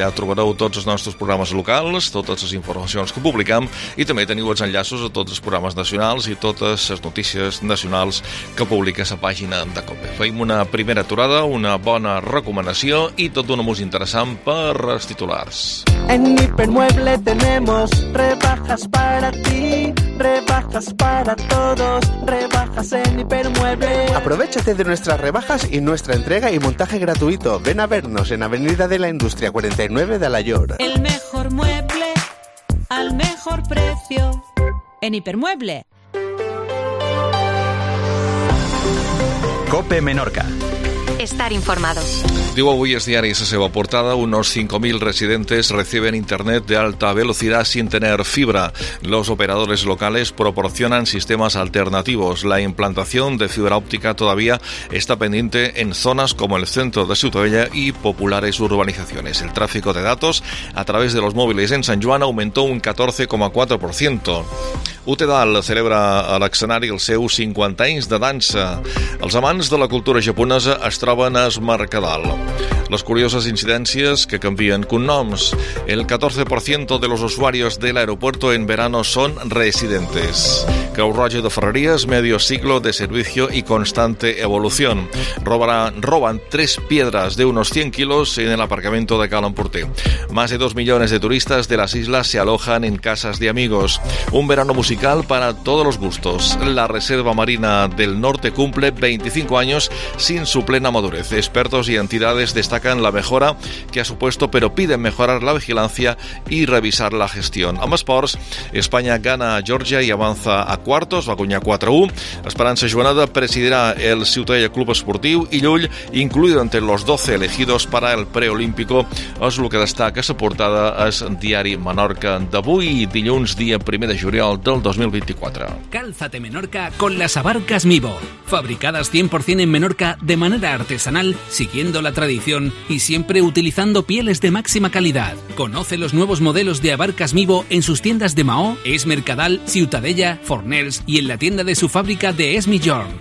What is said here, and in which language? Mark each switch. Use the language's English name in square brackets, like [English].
[Catalan] Allà trobareu tots els nostres programes locals, totes les informacions que publicam i també teniu els enllaços a tots els programes nacionals i totes les notícies nacionals que publica la pàgina de COPE. Feim una primera aturada, una bona recomanació i tot una molt interessant per als titulars. [Spanish] En Hipermueble tenemos rebajas para ti, rebajas para todos, rebajas en Hipermueble. Aprovechate de nuestras rebajas y nuestra entrega y montaje gratuito. Ven a vernos en Avenida de la Industria 49 de Alayor. El mejor mueble al mejor precio en Hipermueble. COPE Menorca. Estar informado. [Catalan] Diu avui el diari la seva portada, [Spanish] unos 5.000 residentes reciben internet de alta velocidad sin tener fibra. Los operadores locales proporcionan sistemas alternativos. La implantación de fibra óptica todavía está pendiente en zonas como el centro de Ciutadella y populares urbanizaciones. El tráfico de datos a través de los móviles en San Juan aumentó un 14,4%. [Catalan] Utedal celebra a l'escenari el seu 50 anys de dansa. Els amants de la cultura japonesa es troben a Mercadal. Les curioses incidències que canvien cognoms. [Spanish] El 14% de los usuarios del aeropuerto en verano son residentes. Creu Roja de Ferreries, medio siglo de servicio y constante evolución. Roban tres piedras de unos 100 kilos en el aparcamiento de Cal Emporter. Más de 2 millones de turistas de las islas se alojan en casas de amigos. Un verano musical para todos los gustos. La Reserva Marina del Norte cumple 25 años sin su plena madurez. Expertos y entidades destacan la mejora que ha supuesto, pero piden mejorar la vigilancia y revisar la gestión. [Catalan] Amb esports, [Spanish] España gana a Georgia y avanza a quartos, [Catalan] va guanyar 4-1. [Spanish] Esperança Joanada [Catalan] presidirà el [Spanish] Ciutadella Club Esportiu i Llull, incluido entre los 12 elegidos para el preolímpico. [Catalan] És el que destaca la portada al diari Menorca d'avui, dilluns, dia 1 de juliol del 2024. [Spanish] Cálzate Menorca con las abarcas Mibo, fabricadas 100% en Menorca de manera artesanal, siguiendo la tradición y siempre utilizando pieles de máxima calidad. Conoce los nuevos modelos de abarcas Mibo en sus tiendas de Mahó, Es Mercadal, Ciutadella, Fornells y en la tienda de su fábrica de Esmijorn.